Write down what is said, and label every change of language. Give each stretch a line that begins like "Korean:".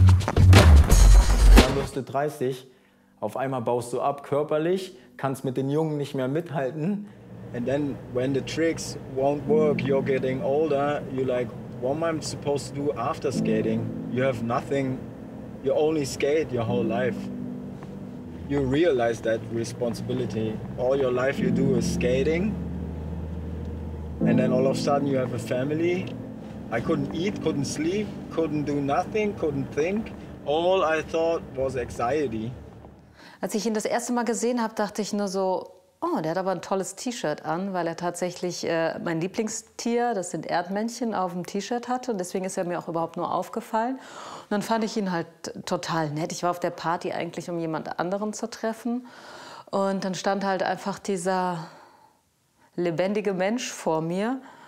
German: Dann wirst du 30, auf einmal baust du ab körperlich, kannst mit den Jungen nicht mehr mithalten.
English: And then when the tricks won't work, you're getting older, you like, what am I supposed to do after skating? You have nothing. You only skate your whole life. You realize that responsibility. All your life you do is skating. And then all of a sudden you have a family. I couldn't eat, couldn't sleep, couldn't do nothing, couldn't think. All I thought was anxiety.
German: Als ich ihn das erste Mal gesehen habe, dachte ich nur so, oh, der hat aber ein tolles T-Shirt an, weil er tatsächlich mein Lieblingstier, das sind Erdmännchen, auf dem T-Shirt hatte. Und deswegen ist er mir auch überhaupt nur aufgefallen. Und dann fand ich ihn halt total nett. Ich war auf der Party eigentlich, um jemand anderen zu treffen. Und dann stand halt einfach dieser lebendige Mensch vor mir.